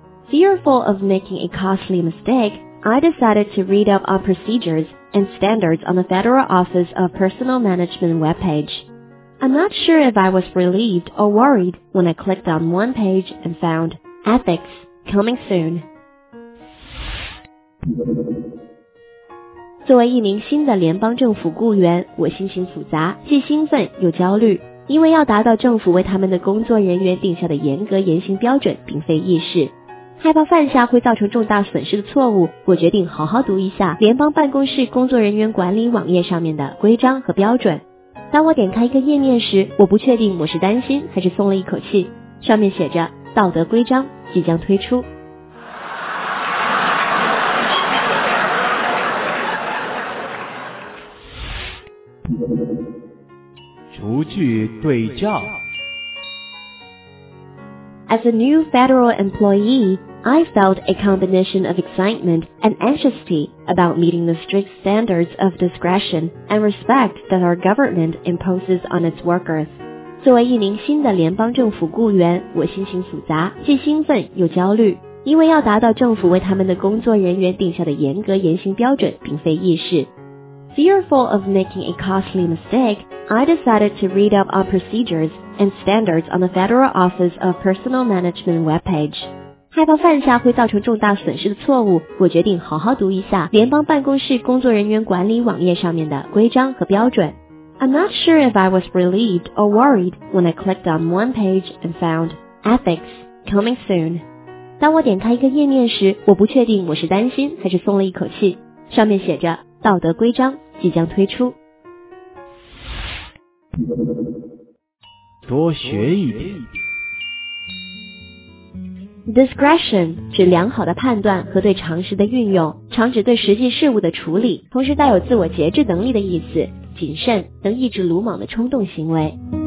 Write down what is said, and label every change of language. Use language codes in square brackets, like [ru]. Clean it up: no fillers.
[en] Fearful of making a costly mistake, I decided to read up on procedures and standards on the Federal Office of Personnel Management webpage. I'm not sure if I was relieved or worried when I clicked on one page and found Ethics Coming Soon. [zh] 作为一名新的联邦政府雇员，我心情复杂，既兴奋又焦虑，因为要达到政府为他们的工作人员定下的严格言行标准并非易事。害怕犯下会造成重大损失的错误，我决定好好读一下联邦办公室工作人员管理网页上面的规章和标准。当我点开一个页面时，我不确定我是担心还是松了一口气。上面写着道德规章即将推出。逐句对照。 [en] As a new federal employee, I felt a combination of excitement and anxiety about meeting the strict standards of discretion and respect that our government imposes on its workers. [zh] 作为一名新的联邦政府雇员，我心情复杂，既兴奋又焦虑，因为要达到政府为他们的工作人员定下的严格言行标准并非易事。 [en] Fearful of making a costly mistake, I decided to read up on procedures and standards on the Federal Office of Personnel Management webpage. [zh] 害怕犯下会造成重大损失的错误，我决定好好读一下联邦办公室工作人员管理网页上面的规章和标准。 [en] I'm not sure if I was relieved or worried when I clicked on one page and found Ethics Coming Soon. [zh] 当我点开一个页面时，我不确定我是担心还是松了一口气。上面写着道德规章即将推出。多学一点。 Discretion 指良好的判断和对常识的运用，常指对实际事物的处理，同时带有自我节制能力的意思，谨慎能抑制鲁莽的冲动行为。